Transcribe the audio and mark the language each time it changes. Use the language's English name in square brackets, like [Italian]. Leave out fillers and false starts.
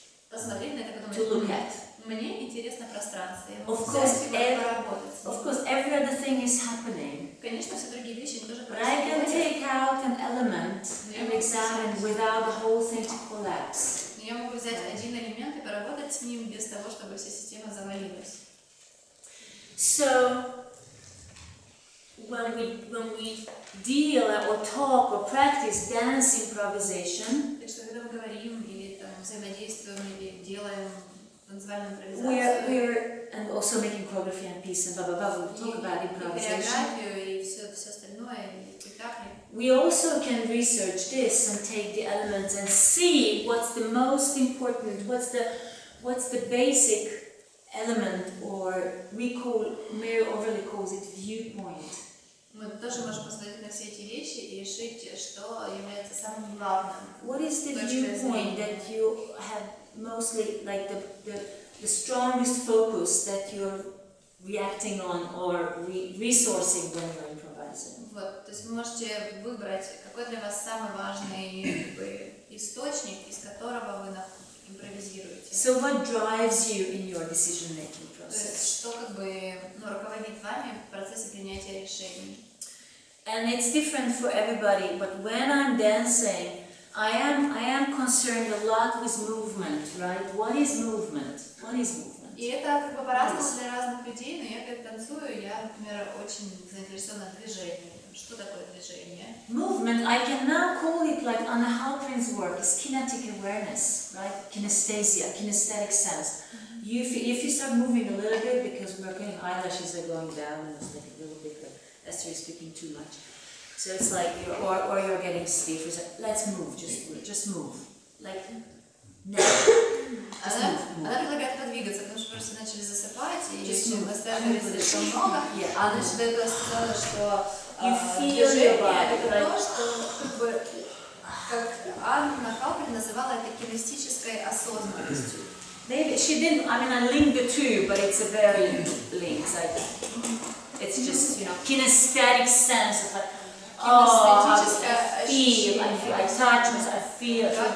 [Russian] Посмотреть на это, потому что [English] to look at. [Russian] Мне интересно пространство. [English] Of course, every other thing is happening. [Russian] Конечно, все другие вещи тоже происходят. [English] But I can take out an element and examine without the whole thing to collapse. [Russian] Но я могу взять один элемент и поработать с ним без того, чтобы вся система завалилась. [English] So when we deal or talk or practice dance improvisation. [Russian] Так что когда мы говорим или там взаимодействуем или делаем танцевальную импровизацию. [English] We are and also making choreography and pieces and blah blah blah. We'll talk about improvisation. [Russian] И хореографию и все остальное и спектакли. [English] We also can research this and take the elements and see what's the most important. What's the basic element or we call Mary Overly calls it viewpoint. [Russian] Мы тоже можем посмотреть на все эти вещи и решить, что является самым главным. [English] What is the viewpoint that you have mostly, like the strongest focus that you're reacting on or resourcing when you're improvising? [Russian] Вот, то есть вы можете выбрать, какой для вас самый важный источник, из которого вы импровизируете. [English] So what drives you in your decision making process? [Russian] То есть что как бы руководит вами в процессе принятия решений? [English] And it's different for everybody, but when I'm dancing, I am concerned a lot with movement, right? What is movement? What is movement? [Russian] И это как бы по-разному для разных людей, но я когда танцую, я, например, очень заинтересована движением. Что такое движение? [English] Movement, I can now call it like Anna Halperin's work, is kinetic awareness, right? Kinesthesia, kinesthetic sense. If you start moving a little bit, because we're getting eyelashes are going down, and it's like a little bit like, Esther is speaking too much, so it's like you're or you're getting stiff. It's like, let's move, just move, like now. [Russian] Она предлагает подвигаться, потому что просто начали засыпать и еще постоянно слишком много. [English] Yeah. [Russian] Она же до этого сказала, что движение это то, что как Анна Халперин называла это кинестической осознанностью. [English] Maybe she didn't. I mean, I linked the two, but it's a very linked. Like, it's just, you know, kinesthetic sense of like, oh, I feel, I touch, I feel.